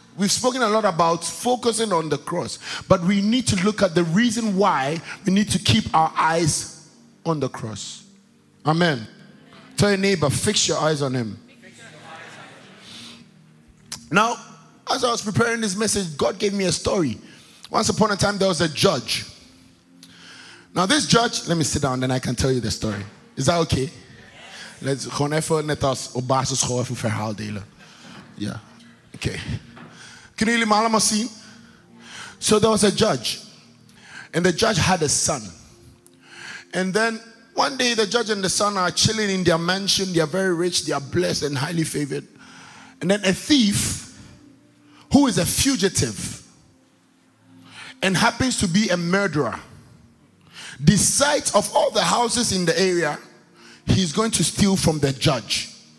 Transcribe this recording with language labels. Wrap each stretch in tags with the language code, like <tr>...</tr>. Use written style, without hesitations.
<en>We've spoken a lot about focusing on the cross, but we need to look at the reason why we need to keep our eyes on the cross. Amen. Tell your neighbor, fix your eyes on him. Now, as I was preparing this message, God gave me a story. Once upon a time, there was a judge. Now, this judge, let me sit down, then I can tell you the story. Is that okay? Let's go</en> <nl>even net als op basisschool even verhaal delen. Yeah. Okay. Kunnen jullie me allemaal zien?</nl> <en>So there was a judge. And the judge had a son. And then one day the judge and the son are chilling in their mansion. They are very rich. They are blessed and highly favored. And then a thief, who is a fugitive and happens to be a murderer, decides of all the houses in the area, he's going to steal from the judge.</en>